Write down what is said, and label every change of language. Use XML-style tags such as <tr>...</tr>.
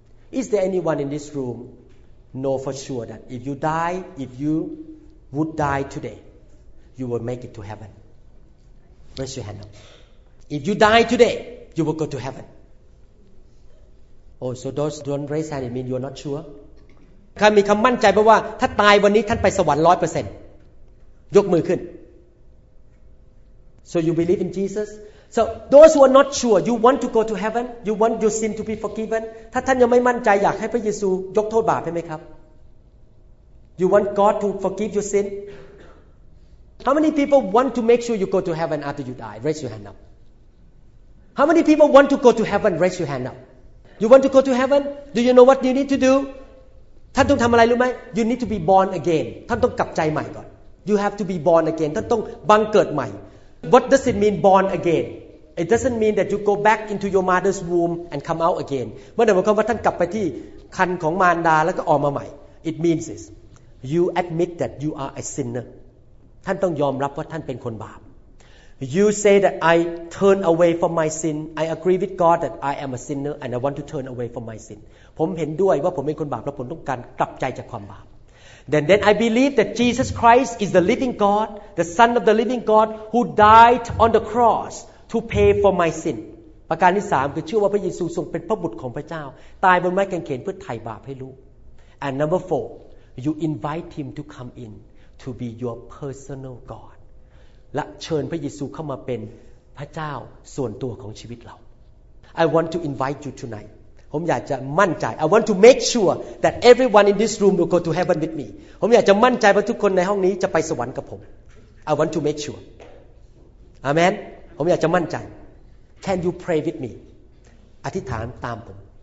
<en>Is there anyone in this room know for sure that if you die, if you would die today, you will make it to heaven? Raise your hand up. If you die today, you will go to heaven. Oh, so those don't raise hand, it means you're not sure.</en> <th>ใครมีคำมั่นใจบ้างว่าถ้าตายวันนี้ท่านไปสวรรค์ 100% ยกมือขึ้น</th> <en>So you believe in Jesus? So those who are not sure, you want to go to heaven? You want your sin to be forgiven?</en> <th>ถ้าท่านยังไม่มั่นใจอยากให้พระเยซูยกโทษบาปใช่ไหมครับ</th> <en>You want God to forgive your sin? How many people want to make sure you go to heaven after you die? Raise your hand up. How many people want to go to heaven? Raise your hand up. You want to go to heaven? Do you know what you need to do?</en> <th>ท่านต้องทำอะไรรู้ไหม</th> <en>You need to be born again</en> <th>ท่านต้องกลับใจใหม่ก่อน</th> <en>You have to be born again</en> <th>ท่านต้องบังเกิดใหม่</th> <en>What does it mean born again It doesn't mean that you go back into your mother's womb and come out again</en> <th>เมื่อไหร่ก็ว่าท่านกลับไปที่ครรภ์ของมารดาแล้วก็ออกมาใหม่</th> <en>It means this You admit that you are a sinner</en> <th>ท่านต้องยอมรับว่าท่านเป็นคนบาป</th> <en>You say that I turn away from my sin I agree with God that I am a sinner and I want to turn away from my sin</en> <th>ผมเห็นด้วยว่าผมเป็นคนบาปและผมต้องการกลับใจจากความบาป</th> <en>Then I believe that Jesus Christ is the living God, the Son of the living God who died on the cross to pay for my sin.</en> <th>ประการที่3คือเชื่อว่าพระเยซูทรงเป็นพระบุตรของพระเจ้าตายบนไม้กางเขนเพื่อไถ่บาปให้ลูก</th> <en>And number 4, you invite him to come in to be your personal God. และเชิญพระเยซูเข้ามาเป็นพระเจ้าส่วนตัวของชีวิตเรา I want to invite you tonight</en> <th>ผมอยากจะมั่นใจ</th> <en>I want to make sure that everyone in this room will go to heaven with me</en> <th>ผมอยากจะมั่นใจว่าทุกคนในห้องนี้จะไปสวรรค์กับผม</th> <en>I want to make sure Amen ผมอยากจะมั่นใจ Can you pray with me</en> <th>อธิษฐานตามผม</th>